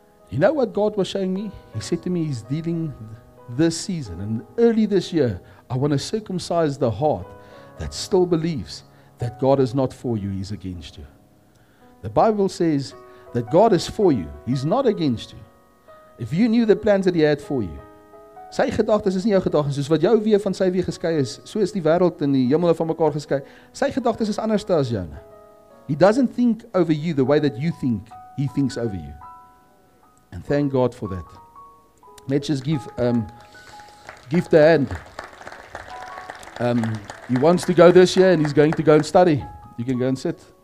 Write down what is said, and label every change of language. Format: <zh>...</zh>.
<en>You know what God was showing me? He said to me, he's dealing this season. And early this year, I want to circumcise the heart that still believes that God is not for you, he's against you. The Bible says that God is for you. He's not against you. If you knew the plans that he had for you.</en> <af>Sy gedagtes is nie jou gedagtes, soos wat jou weer van sy weer geskei is. So is die wêreld en die hemel van mekaar geskei. Sy gedagtes is anders as joune.</af> <en>He doesn't think over you the way that you think he thinks over you. And thank God for that. Let's just give the hand. He wants to go this year and he's going to go and study. You can go and sit.</en>